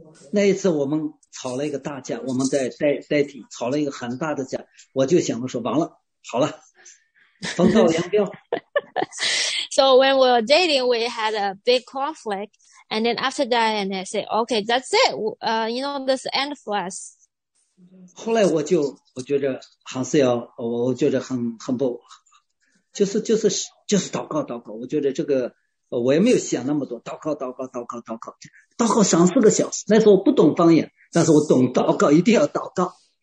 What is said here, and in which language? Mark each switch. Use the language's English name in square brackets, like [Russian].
[Chinese] 那一次我们吵了一个大架，我们在代替吵了一个很大的架，我就想着说完了，好了，分道扬镳。 [English] So when we were dating, we had a big conflict. And then after that, and I say, okay, that's it. That's the end for us. [Chinese] 后来我觉得还是要，我觉得很不，就是祷告祷告。我觉得这个我也没有想那么多，祷告祷告祷告祷告，祷告三四个小时。那时候我不懂方言，但是我懂祷告，一定要祷告。